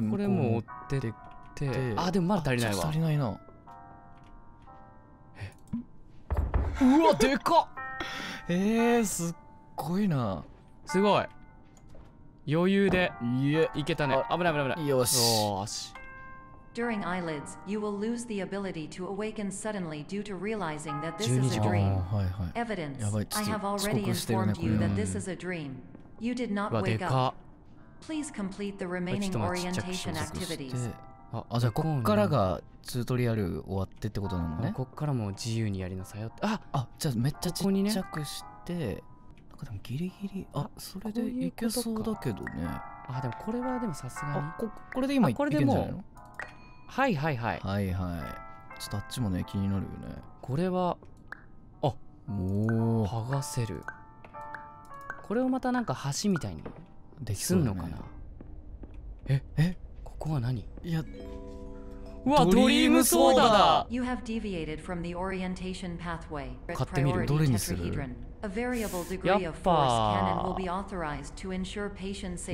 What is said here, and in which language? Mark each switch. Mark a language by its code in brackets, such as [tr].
[ja] これも追ってて、あ、でもまだ足りないわ、足りないな、うわ、でかっすっごいな、すごい余裕でいけたね、危ない危ない危ない、よし、 [en] よし、 During eyelids, you will lose the ability to awaken suddenly due to realizing that this is a dream. [ja] はいはい、 [en] Evidence, I have already informed you that this is a dream. You did not wake up. Please complete the remaining orientation activities. [ja] あ、あ、じゃあこっからがチュートリアル終わってってことなのね、こっからも自由にやりなさいよ、あ、あ、じゃあめっちゃちっちゃくして、ここ、ね、なんかでもギリギリ、あ、それでいけそうだけどね、あ、でもこれはでもさすがに、あ、これで今いけんじゃないの、はいはいはいはいはい、ちょっとあっちもね気になるよね、これは、あ、もう剥がせる、これをまたなんか橋みたいにできそうすんのかな、ね、え、え、ここは何、いや、うわ、ドリームソーダだ、 [en] you have deviated from the orientation pathway. [ja] 買ってみる、どれにする、やっぱミニソーマかな、 [en] will be authorized to ensure patient safety.